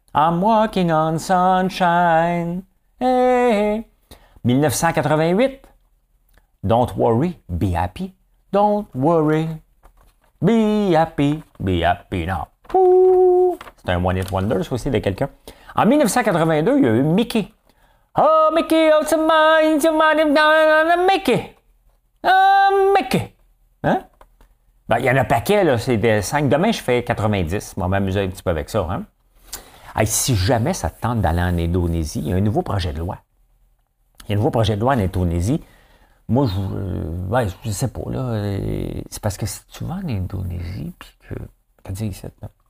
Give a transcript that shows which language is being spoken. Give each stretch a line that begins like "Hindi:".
English: I'm walking on sunshine. Hey, hey. 1988. Don't worry, be happy. Don't worry, be happy. Be happy now. Ooh.
French: C'est un One Hit Wonder, ça aussi, de quelqu'un. En 1982, il y a eu Mickey.
English: Oh, Mickey, oh, it's a mind, it's a mind, it's a Mickey. Oh, Mickey. Hein?
French: Ben, il y en a un paquet, là, c'est des 5. Demain, je fais 90. Bon, je vais m'amuser un petit peu avec ça. Hein? Hey, si jamais ça te tente d'aller en Indonésie, il y a un nouveau projet de loi. Il y a un nouveau projet de loi en Indonésie. Moi, je sais pas. Là, c'est parce que si tu vas en Indonésie, puis que. T'as dit ici, là.